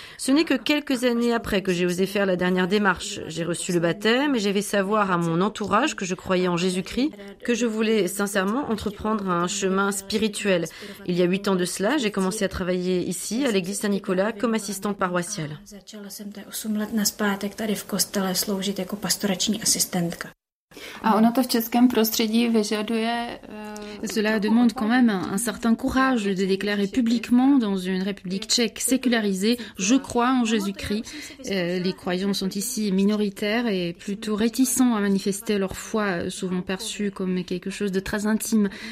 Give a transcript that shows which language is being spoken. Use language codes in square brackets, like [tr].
[fr] Ce n'est que quelques années après que j'ai osé faire la dernière démarche. J'ai reçu le baptême et j'ai fait savoir à mon entourage que je croyais en Jésus-Christ, que je voulais sincèrement entreprendre un chemin spirituel. Il y a 8 ans de cela, j'ai commencé à travailler ici, à l'église Saint-Nicolas, comme assistante paroissiale. [cs] Začala jsem tady 8 let naspátek tady v kostele sloužit jako pastorační asistentka. A ono to v českém prostředí vyžaduje... [fr] Cela demande quand même un certain courage de déclarer publiquement dans une république tchèque sécularisée « Je crois en Jésus-Christ ». Les croyants sont ici minoritaires et plutôt réticents à manifester leur foi, souvent perçue comme quelque chose de très intime.